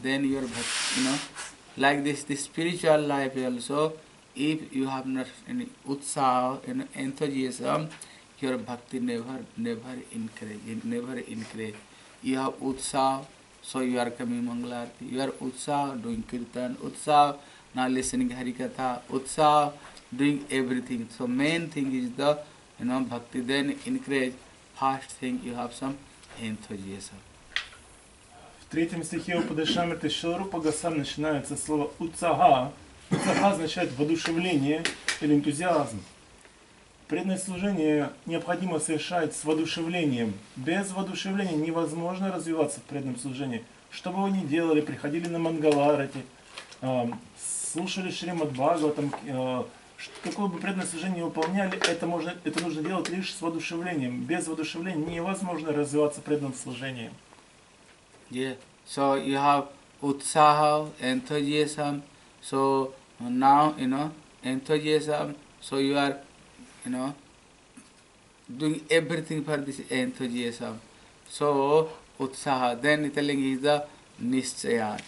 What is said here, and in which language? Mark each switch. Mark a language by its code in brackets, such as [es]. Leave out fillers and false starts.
[en] Then your bhakti, you know, like this, the spiritual life also, if you have not any utsaha, you know, enthusiasm, your bhakti never increase, You have utsaha, so you are coming Mangalarti. You are utsaha, doing kirtan, utsaha, now listening Harikatha, utsaha, doing everything. So main thing is the, you know, bhakti, then increase. First thing, you have some enthusiasm. [ru] В третьем стихе Упадешамрита Шрила Рупа Госвами начинается слово «утсага». «Утсага» означает воодушевление или энтузиазм. Преданное служение необходимо совершать с воодушевлением. Без воодушевления невозможно развиваться в преданном служении. Что бы вы ни делали, приходили на Мангаларати, слушали Шримад Бхагаватам, какое бы преданное служение не выполняли, это нужно делать лишь с воодушевлением. Без воодушевления невозможно развиваться преданным служением. [en] Yeah, so you have utsaha, enthusiasm. So now, you know, enthusiasm, so you are, you know, doing everything for this enthusiasm. So utsaha, then telling is the nischaya.